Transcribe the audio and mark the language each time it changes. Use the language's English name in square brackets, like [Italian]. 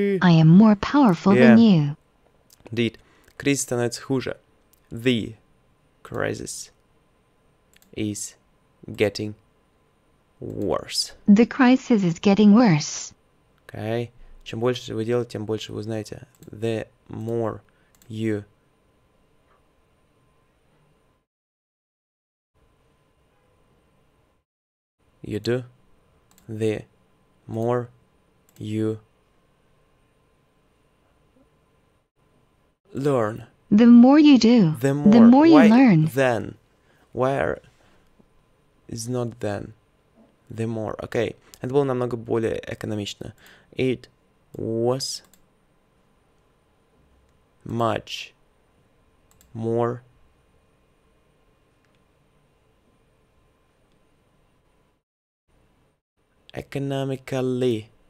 [English] I am more powerful than you. Indeed. [Russian] Кризис становится хуже. [English] The crisis is getting worse. The crisis is getting worse. Okay. [Russian] Чем больше вы делаете, тем больше вы узнаете. [English] The more you do, the more you learn. The more you do, the more you learn. Then, where is not then, the more. [Russian] Okay, это было намного более экономично. [English] It was much more economically.